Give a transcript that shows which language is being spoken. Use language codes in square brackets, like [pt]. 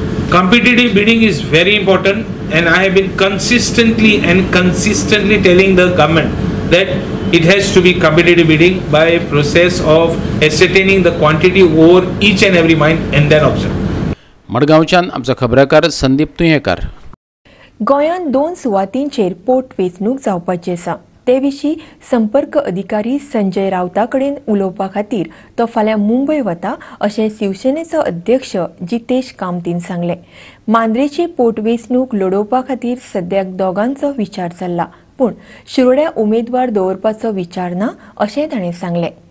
[en] Competitive bidding is very important and I have been consistently telling the government that it has to be competitive bidding by process of ascertaining the quantity over each and every mine and then auction. [gom] मडगांवच्यान आमचा खबराकार संदीप तुयेकार गोंयान 2 सुवातींचेर पोट वेंचणूक जावपाची आसा ते विशीं संपर्क अधिकारी संजय रावता कडेन उलोवपा खातीर तो फाल्यां मुंबय वता अशें शिवसेनेचो अध्यक्ष जितेश कामतीन सांगलें मांद्रेची पोटवेंचणूक लडोवपा खातीर सद्याक दोगांचो विचार चल्ला पूण शिरोड्या उमेदवार दवरपाचो विचार ना अशें ताणें सांगलें